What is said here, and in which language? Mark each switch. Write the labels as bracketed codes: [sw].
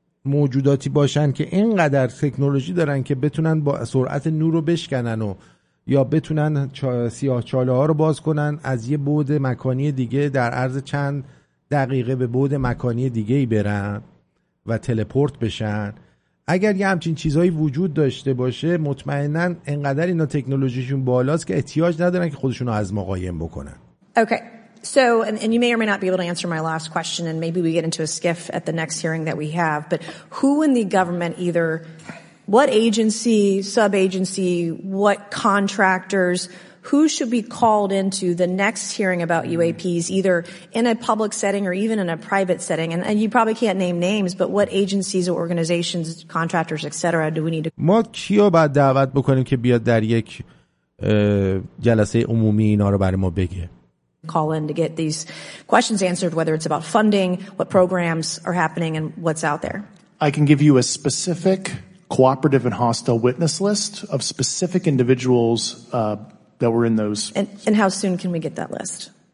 [fa] موجوداتی باشن که اینقدر تکنولوژی دارن که بتونن با سرعت نور رو بشکنن و یا بتونن سیاه‌چاله‌ها رو باز کنن از یه بعد مکانی دیگه در عرض چند دقیقه به بعد مکانی دیگه ای برن و تلپورت بشن، اگر یه همچین چیزایی وجود داشته باشه مطمئناً انقدر اینا تکنولوژیشون بالاست که احتیاج ندارن که خودشون رو از ما قایم بکنن. [en] Okay. So and you may or may not be able to answer my last question and maybe we get into a skiff at the next hearing that we have, but who in the government either what agency, sub-agency, what contractors, who should be called into the next hearing about UAPs, either in a public setting or even in a private setting? And you probably can't name names, but what agencies or organizations, contractors, et cetera, do we need to... [fa] ما کیو باید دعوت بکنیم که بیاد در یک جلسه عمومی اینا رو برای ما بگه؟ [en] Call in to get these questions answered, whether it's about funding, what programs are happening, and what's out there. I can give you a specific cooperative and hostile witness list of specific individuals that were in those. And how soon can we get that list?